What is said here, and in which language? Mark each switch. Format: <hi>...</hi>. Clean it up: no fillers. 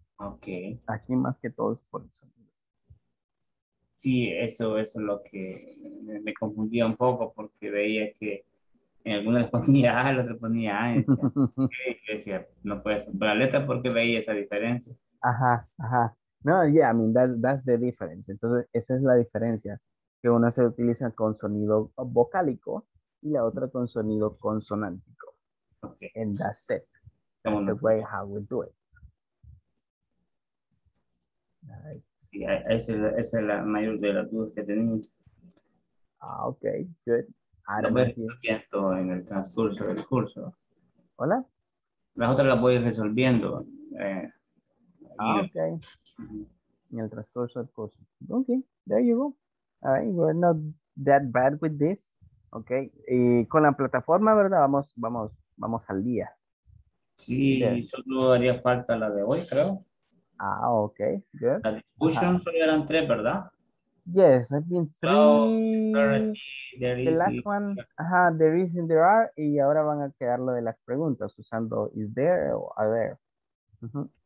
<en>Okay.</en> <es>Aquí más que todo es por el sonido. Sí, eso es lo que me confundía un poco porque veía que en algunas les ponía A, en otras ponía A. Decía, no puede ser por la letra porque veía esa diferencia.</es> <en>Ajá, ajá. No, yeah, I mean, that's the difference.</en> <es>Entonces, esa es la diferencia. Que una se utiliza con sonido vocálico y la otra con sonido consonántico.</es> <en>Okay. And that's it. That's the way how we do it.</en> <es>Sí, esa es la mayor de las dudas que tenía.</es> <en>Ah, ok, good.</en> <es>Lo voy resolviendo en el transcurso del curso. ¿Hola? Las otras las voy resolviendo. Ok. Uh-huh. En el transcurso del curso.</es> <en>Ok, there you go. All right, we're not that bad with this.</en> <es>Ok, y con la plataforma, ¿verdad? Vamos al día. Sí, solo haría falta la de hoy, creo.</es> <en>Ah, okay, good.</en> <es>La discusión solo eran tres, ¿verdad?</es> <en>Yes, I've been three. The last one, there is and there are,</en> <es>y ahora van a quedar lo de las preguntas, usando</es> <en>is there o are there. Uh-huh.</en>